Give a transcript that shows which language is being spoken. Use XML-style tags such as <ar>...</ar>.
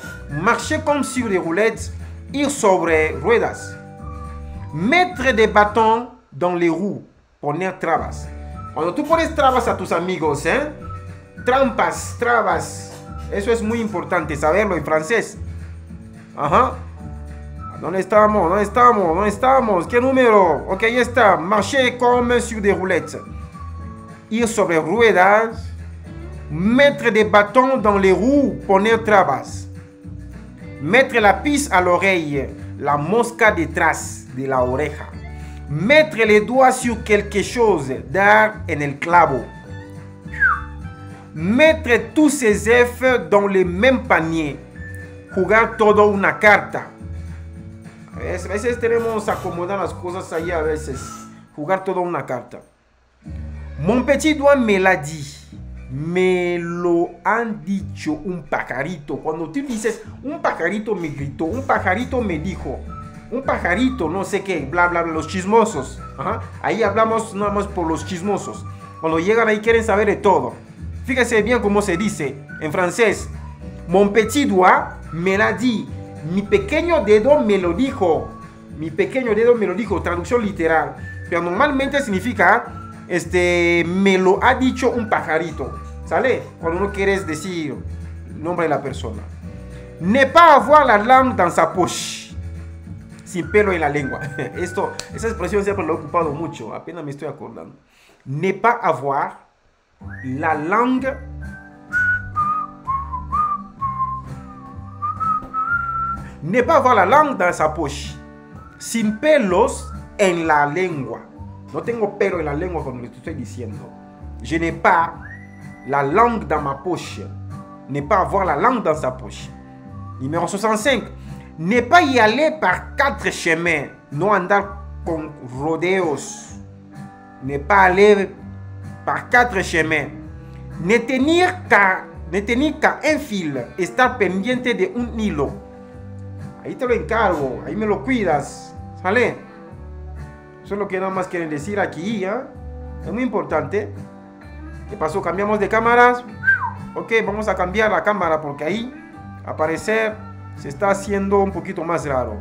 <fr>Marcher comme sur des roulettes,</fr> <es>ir sobre ruedas.</es> <fr>Mettre des bâtons dans les roues,</fr> <es>poner trabas. Cuando tú pones trabas a tus amigos, ¿eh? Trampas, trabas. Eso es muy importante saberlo en francés. Ajá. ¿Dónde estamos? ¿Qué número? Ok, ya está.</es> <fr>Marcher comme sur des roulettes.</fr> <es>Ir sobre ruedas.</es> <fr>Mettre des bâtons dans les roues,</fr> <es>poner trabas.</es> <fr>Mettre la pisse à l'oreille,</fr> <es>la mosca detrás de la oreja.</es> <fr>Mettre les doigts sur quelque chose,</fr> <es>dar en el clavo.</es> <fr>Mettre tous ses œufs dans le même panier,</fr> <es>jugar todo una carta. A veces tenemos acomodar las cosas ahí, a veces. Jugar todo una carta.</es> <fr>Mon petit doigt me l'a dit.</fr> <es>Me lo han dicho un pajarito. Cuando tú dices, un pajarito me gritó, un pajarito me dijo, un pajarito, no sé qué, bla, bla, bla, los chismosos. Ajá. Ahí hablamos nada más por los chismosos. Cuando llegan ahí quieren saber de todo. Fíjese bien cómo se dice en francés.</es> <fr>Mon petit doigt me l'a dit.</fr> <es>Mi pequeño dedo me lo dijo. Mi pequeño dedo me lo dijo, traducción literal. Pero normalmente significa... me lo ha dicho un pajarito, ¿sale? Cuando no quieres decir el nombre de la persona.</es> <fr>Ne pas avoir la langue dans sa poche.</fr> <es>Sin pelo en la lengua. Esa expresión siempre la he ocupado mucho, apenas me estoy acordando.</es> <fr>Ne pas avoir la langue dans sa poche.</fr> <es>Sin pelos en la lengua. No tengo pelo en la lengua cuando le estoy diciendo.</es> <fr>Je n'ai pas la langue dans ma poche. Ne pas avoir la langue dans sa poche. Numéro 65. Ne pas y aller par quatre chemins.</fr> <es>No andar con rodeos.</es> <fr>Ne pas aller par quatre chemins. Ne tenir qu'à un fil.</fr> <es>Estar pendiente de un hilo. Ahí te lo encargo. Ahí me lo cuidas. ¿Sale? Eso es lo que nada más quieren decir aquí, ¿eh? Es muy importante. ¿Qué pasó? ¿Cambiamos de cámaras? Ok, vamos a cambiar la cámara porque ahí, al parecer, se está haciendo un poquito más raro.</es>